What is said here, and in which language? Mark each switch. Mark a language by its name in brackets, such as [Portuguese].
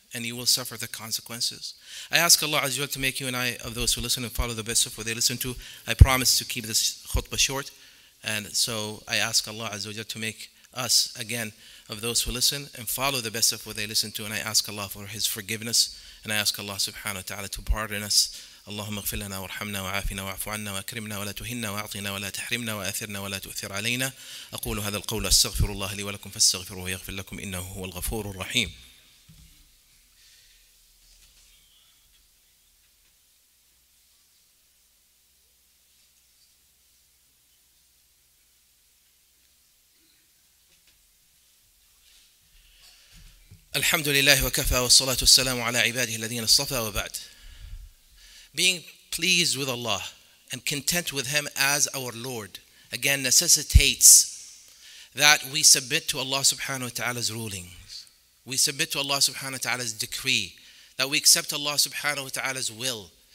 [English] And you will suffer the consequences. I ask Allah Azza wa Jalla to make you and I of those who listen and follow the best of what they listen to. I promise to keep this khutbah short. And so I ask Allah Azza wa Jalla to make us again of those who listen and follow the best of what they listen to. And I ask Allah for His forgiveness. And I ask Allah subhanahu wa ta'ala to pardon us. [Arabic] اللهم اغفر لنا وارحمنا وعافنا واعف عنا واكرمنا ولا تهنا واعطنا ولا تحرمنا واثرنا ولا تؤثر علينا. أقول هذا القول استغفر الله لي ولكم فاستغفروه يغفر لكم إنه هو الغفور الرحيم. الحمد لله وكفى والصلاة والسلام على عباده الذين اصطفى وبعد. [English] Being pleased with Allah and content with Him as our Lord again necessitates that we submit to Allah subhanahu wa ta'ala's rulings. We submit to Allah subhanahu wa ta'ala's decree, that we accept Allah subhanahu wa ta'ala's will.